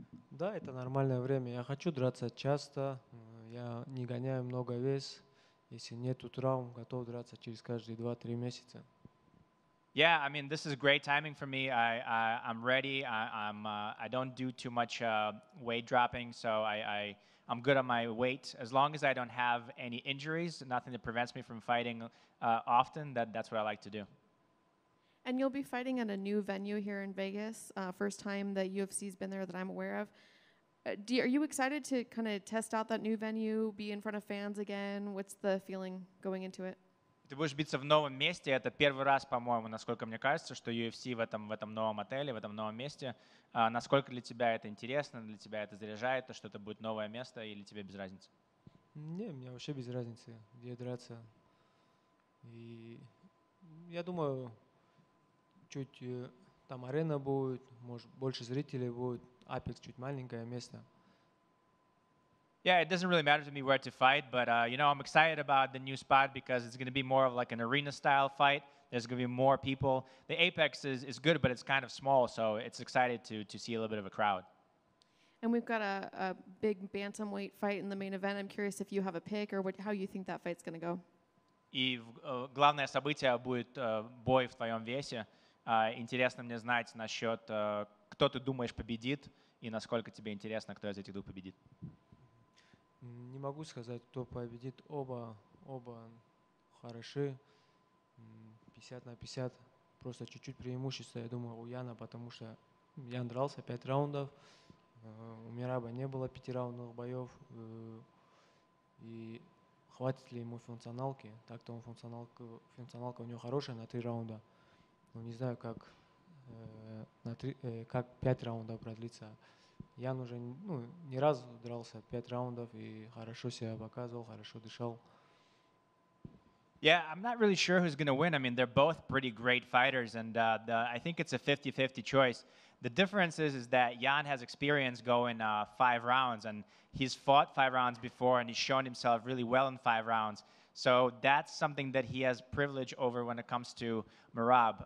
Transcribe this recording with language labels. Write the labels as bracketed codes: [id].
[ru] Да, это нормальное время. Я хочу драться часто. Я не гоняю много вес. Если нет травм, готов драться через каждые 2-3 месяца. [en] Yeah, I mean, this is great timing for me. I'm ready. I don't do too much weight dropping, so I'm good on my weight. As long as I don't have any injuries, nothing that prevents me from fighting often, that's what I like to do. And you'll be fighting at a new venue here in Vegas, first time that UFC's been there that I'm aware of. Are you excited to kind of test out that new venue, be in front of fans again? What's the feeling going into it? [ru] Ты будешь биться в новом месте. Это первый раз, по-моему, насколько мне кажется, что UFC в этом новом отеле, в этом новом месте. Насколько для тебя это интересно, для тебя это заряжает, то, что это будет новое место, или тебе без разницы? Не, мне вообще без разницы, где драться. И я думаю, чуть там арена будет, может, больше зрителей будет, Апекс чуть маленькое место. [en] Yeah, it doesn't really matter to me where to fight, but you know, I'm excited about the new spot because it's going to be more of like an arena-style fight. There's going to be more people. The Apex is good, but it's kind of small, so it's excited to see a little bit of a crowd. And we've got a big bantamweight fight in the main event. I'm curious if you have a pick or what, how you think that fight's going to go. [ru] И главное событие будет бой в твоем весе. Интересно мне знать насчет, кто ты думаешь победит и насколько тебе интересно, кто из этих двух победит. Не могу сказать, кто победит. Оба хороши. 50 на 50. Просто чуть-чуть преимущество, я думаю, у Яна, потому что Ян дрался 5 раундов. У Мираба не было 5 раундовых боев. И хватит ли ему функционалки? Так-то он функционалка у него хорошая на 3 раунда. Но не знаю, как 5 раундов продлится. Ян уже не раз дрался 5 раундов и хорошо себя показывал, хорошо дышал. [en] Yeah, I'm not really sure who's going to win. I mean, they're both pretty great fighters, and I think it's a 50-50 choice. The difference is that Jan has experience going 5 rounds, and he's fought 5 rounds before, and he's shown himself really well in 5 rounds. So that's something that he has privilege over when it comes to Merab.